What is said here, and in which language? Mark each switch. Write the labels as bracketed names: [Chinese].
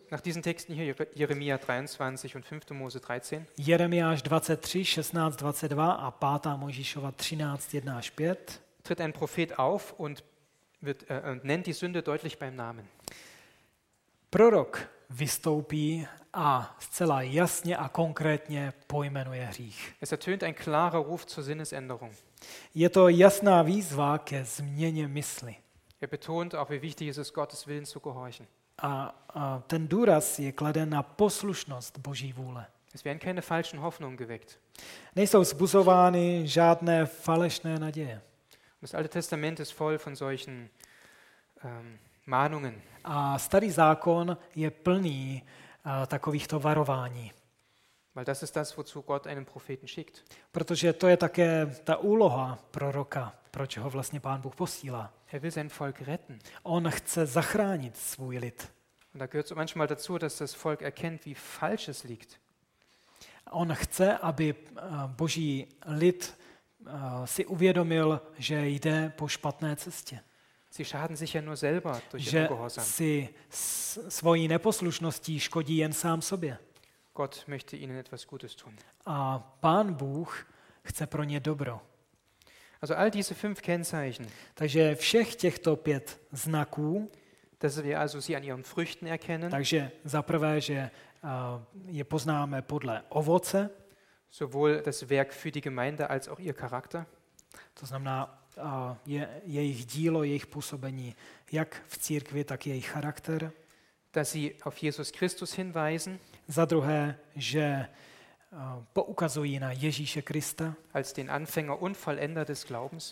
[German] Nach diesen Texten hier Jeremia 23 und 5. Mose 13. [Czech] Jeremiáš 23, 16, 22 a 5. Mojžíšova 13, 1 až 5. [German] Tritt ein Prophet auf und wird nennt die Sünde deutlich beim Namen. [Czech] Prorok vystoupí a zcela jasně a konkrétně pojmenuje hřích. [German] Es ertönt ein klarer Ruf zur Sinnesänderung. [Czech] Je to jasná výzva ke změně mysli. [German] Er betont auch, wie wichtig es ist, Gottes Willen zu gehorchen. [Czech] A ten důraz je kladen na poslušnost Boží vůle. [German] Es werden keine falschen Hoffnungen geweckt. [Czech] Nejsou vzbuzovány žádné falešné naděje. [German] Das Alte Testament ist voll von solchen Mahnungen. [Czech] A Starý zákon je plný takovýchto varování. [German] Weil das ist das, wozu Gott einen Propheten schickt. [Czech] Protože to je také ta úloha proroka, proč ho vlastně Pán Bůh posílá. [German] Er will sein Volk retten. [Czech] On chce zachránit svůj lid. [German] Und da gehört so manchmal dazu, dass das Volk erkennt, wie falsch es liegt. [Czech] On chce, aby Boží lid si uvědomil, že jde po špatné cestě. [German] Sie schaden sich ja nur selber durch ihren Gehorsam. [Czech] Že si svojí neposlušností škodí jen sám sobě. [German] Gott möchte ihnen etwas Gutes tun. [Czech] A Pán Bůh chce pro ně dobro. [German] Also all diese fünf Kennzeichen. [Czech] Takže všech těchto pět znaků. [German] Dass wir also sie an ihren Früchten erkennen. [Czech] Takže zaprvé, že je poznáme podle ovoce. [German] Sowohl das Werk für die Gemeinde als auch ihr Charakter. [Czech] To znamená jejich dílo, jejich působení, jak v církvi, tak jejich charakter. [German] Dass sie auf Jesus Christus hinweisen. [Czech] Za druhé, že poukazují na Ježíše Krista, [German] als den Anfänger und Vollender des Glaubens,